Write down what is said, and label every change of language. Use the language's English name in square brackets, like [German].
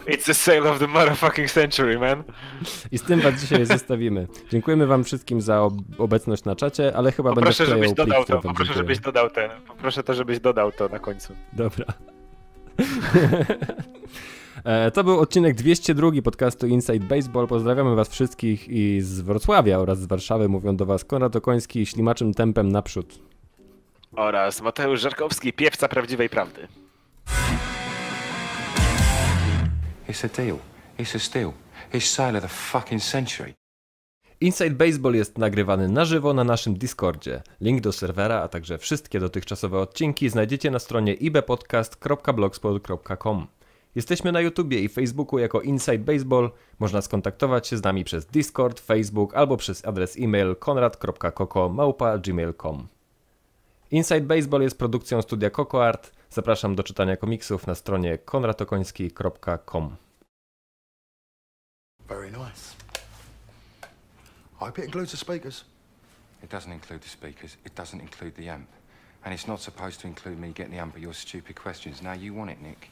[English] It's a sale of the motherfucking century, man. [Polish] I z tym was dzisiaj zostawimy. Dziękujemy wam wszystkim za obecność na czacie, ale chyba poproszę, będę wklejał plik, który wam poproszę, żebyś dodał ten. Poproszę to, żebyś dodał to na końcu. Dobra. To był odcinek 202 podcastu Inside Baseball. Pozdrawiamy was wszystkich i z Wrocławia oraz z Warszawy. Mówią do was Konrad Okoński, ślimaczym tempem naprzód. Oraz Mateusz Żarkowski, piewca prawdziwej prawdy. [English] It's a deal. It's a steal. It's sale of the fucking century. [Polish] Inside Baseball jest nagrywany na żywo na naszym Discordzie. Link do serwera, a także wszystkie dotychczasowe odcinki znajdziecie na stronie ibpodcast.blogspot.com. Jesteśmy na YouTubie i Facebooku jako Inside Baseball. Można skontaktować się z nami przez Discord, Facebook albo przez adres e-mail konrad.koko@gmail.com. Inside Baseball jest produkcją studia Coco Art. Zapraszam do czytania komiksów na stronie konradokoński.com. [English] Very nice. I hope it includes the speakers. It doesn't include the speakers. It doesn't include the amp. And it's not supposed to include me getting the amp at your stupid questions. Now you want it, Nick.